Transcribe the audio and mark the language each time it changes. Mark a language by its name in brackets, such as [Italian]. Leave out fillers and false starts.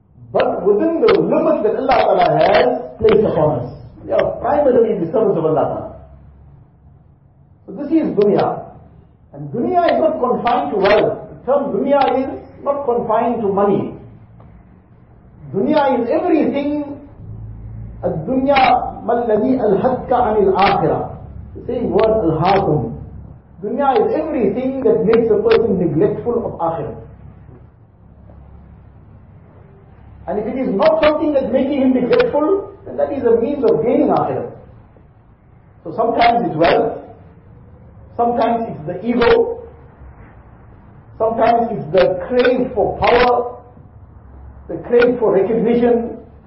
[English] But within the limit that Allah Ta'ala has placed upon us, we are primarily in the service of Allah Ta'ala. So this is dunya. And dunya is not confined to wealth. The term dunya is not confined to money. Dunya is everything. [Arabic] الدنيا ما الذي ألهتك عن الآخرة. [English] The same word, الهاكم. Dunya is everything that makes a person neglectful of akhirah. And if it is not something that's making him neglectful, then that is a means of gaining akhirah. So sometimes it's wealth, sometimes it's the ego, sometimes it's the crave for power, the crave for recognition.